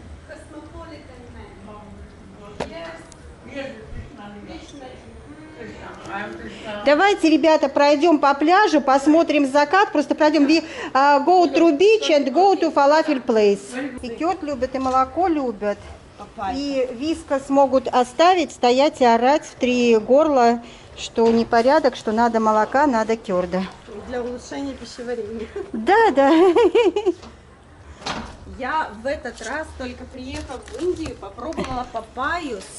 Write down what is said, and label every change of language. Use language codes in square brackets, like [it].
[en] Cosmopolitan. [ru] Давайте, ребята, пройдем по пляжу, посмотрим закат. Просто пройдем. [en] We go to beach and go to falafel place. [ru] И кёрт любят, и молоко любят. И вискас могут оставить, стоять и орать в три горла, что непорядок, что надо молока, надо кёрда. Для улучшения пищеварения. Да, да. Я в этот раз, только приехав в Индию, попробовала папайю.